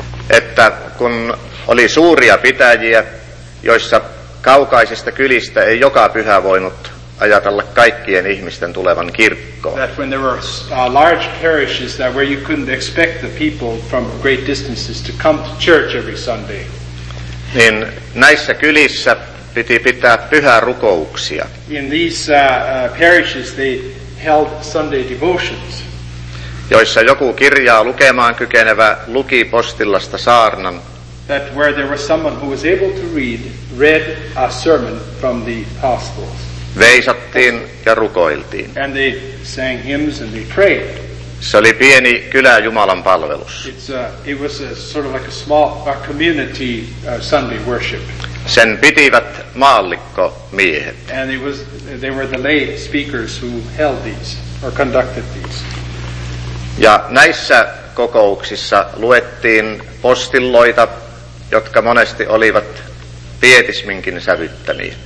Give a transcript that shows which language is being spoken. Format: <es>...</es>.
<fi>Että kun oli suuria pitäjiä, joissa kaukaisista kylistä ei joka pyhä voinut ajatella kaikkien ihmisten tulevan kirkkoon.</fi> <en>That when there were large parishes that where you couldn't expect the people from great distances to come to church every Sunday.</en> <fi>Niin näissä kylissä piti pitää pyhää rukouksia.</fi> <en>In these parishes they held Sunday devotions.</en> <fi>Joissa joku kirjaa lukemaan kykenevä luki postillasta saarnan.</fi> <en>That where there was someone who was able to read, read a sermon from the apostles.</en> <fi>Veisattiin ja rukoiltiin.</fi> <en>And they sang hymns and they prayed.</en> <fi>Se oli pieni kylä Jumalan palvelus.</fi> <en>It was a sort of like a small a community Sunday worship.</en> <fi>Sen pitivät maallikko miehet.</fi> <en>And it was they were the lay speakers who held these or conducted these.</en> <fi>Ja näissä kokouksissa luettiin postilloita, jotka monesti olivat pietisminkin sävyttämiä.</fi>